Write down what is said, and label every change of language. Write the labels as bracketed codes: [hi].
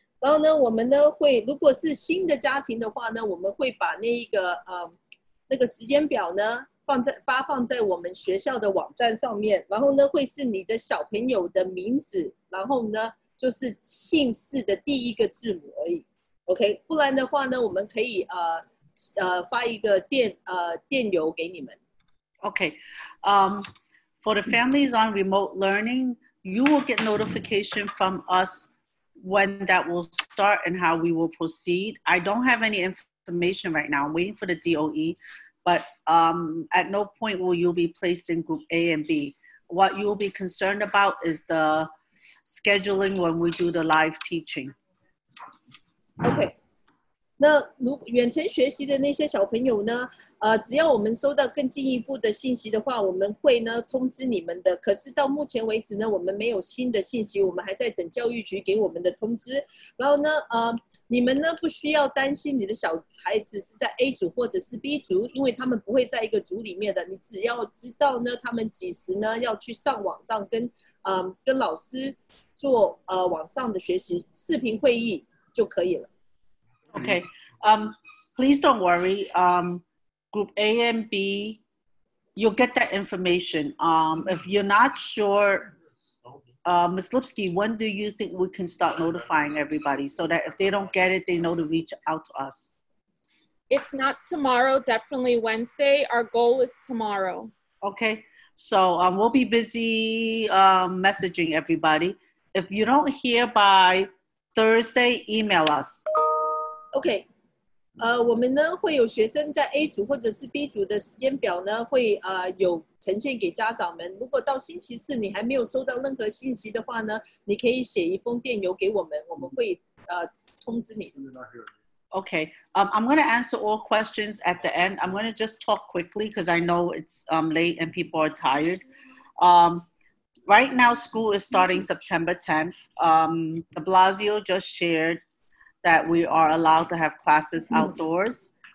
[zh] 然后呢，我们呢会，如果是新的家庭的话呢，我们会把那一个那个时间表呢发放在我们学校的网站上面，然后呢会是你的小朋友的名字，然后呢就是姓氏的第一个字母而已 ，OK。不然的话呢，我们可以发一个电邮给你们，OK。 [en] For the families on remote learning, you will get notification from us when that will start and how we will proceed. I don't have any information right now. I'm waiting for the DOE, but at no point will you be placed in group A and B. What you will be concerned about is the scheduling when we do the live teaching. Okay. [zh] 那如远程学习的那些小朋友呢，只要我们收到更进一步的信息的话，我们会呢通知你们的。可是到目前为止呢，我们没有新的信息，我们还在等教育局给我们的通知。然后呢，你们呢不需要担心你的小孩子是在 A 组或者是 B 组，因为他们不会在一个组里面的。你只要知道呢，他们几时呢要去上网上跟老师做网上的学习视频会议就可以了。 [en] Okay, please don't worry. Group A and B, you'll get that information. If you're not sure, Ms. Lipsky, when do you think we can start notifying everybody so that if they don't get it, they know to reach out to us? If not tomorrow, definitely Wednesday. Our goal is tomorrow. Okay. So we'll be busy messaging everybody. If you don't hear by Thursday, email us. Okay. [zh] 我们呢会有学生在 A 组或者是 B 组的时间表呢会有呈现给家长们。如果到星期四你还没有收到任何信息的话呢，你可以写一封电邮给我们，我们会通知你。 [en] Okay, I'm going to answer all questions at the end. I'm going to just talk quickly because I know it's late and people are tired. Right now, school is starting September 10th. De Blasio just shared that we are allowed to have classes outdoors.